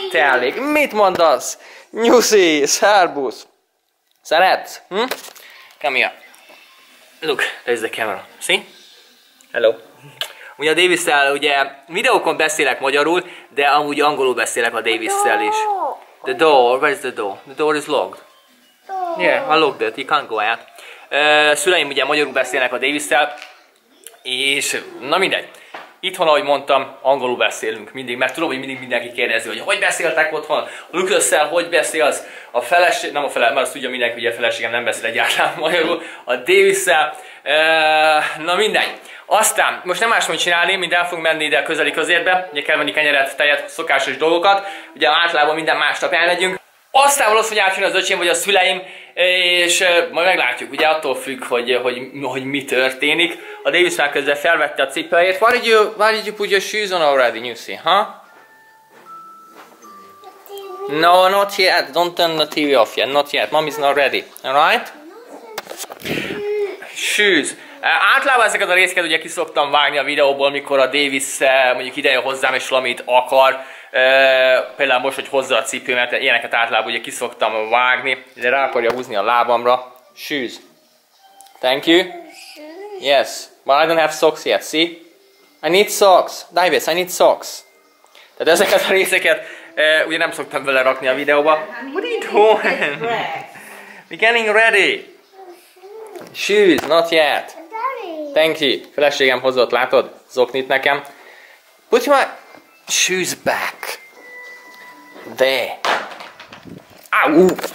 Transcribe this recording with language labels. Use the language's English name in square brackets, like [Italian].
[Hungarian] Így telik. Mit mondasz? Nyuszi, szárbusz. Szeretsz? Hm? [English] Come here. Look, there's the camera. See? Hello. [Hungarian] Ugye a Davis-szel, ugye videókon beszélek magyarul, de amúgy angolul beszélek a Davis-szel is. [English] The door, where is the door? The door is locked. Yeah, I locked it, you can't go out. [Hungarian] Szüleim ugye magyarul beszélnek a Davis-szel, és na mindegy. Itthon, ahogy mondtam, angolul beszélünk mindig, mert tudom, hogy mindig mindenki kérdezi, hogy hogy beszéltek otthon, a Lucas-szel hogy beszélsz, a feleség, nem a feleség, mert azt tudja mindenki, hogy a feleségem nem beszél egyáltalán magyarul, a Davis-szel, na mindegy. Aztán, most nem más mond csinálni, mint el fogunk menni ide a közeli közértbe, ugye kell menni kenyeret, tejet, szokásos dolgokat, ugye általában minden másnap elmegyünk. Aztán valószínűleg átjön az öcsém vagy a szüleim, és majd meglátjuk, ugye attól függ, hogy mi történik. A Davis már közben felvette a cipőjét. [English] Why did you put your shoes on already, Nyuszi, huh? No, not yet. Don't turn the TV off yet. Not yet. Mommy's not ready. Alright? Shoes. [Hungarian] Általában ezeket a részeket ugye ki szoktam vágni a videóból, mikor a Davis mondjuk idejön hozzám és valamit akar. Például most, hogy hozza a cipőmet, ilyeneket általában ugye ki szoktam vágni. De rá akarja húzni a lábamra. [English] Shoes. Thank you. Yes, but I don't have socks yet, see? I need socks. Davis, I need socks. [Hungarian] Tehát ezeket a részeket ugye nem szoktam vele rakni a videóba. [English] What are you doing? We're getting ready. Shoes, not yet. Thank you. [Hungarian] Feleségem hozott, látod? Zoknit nekem. [English] Put my shoes back. There. Au!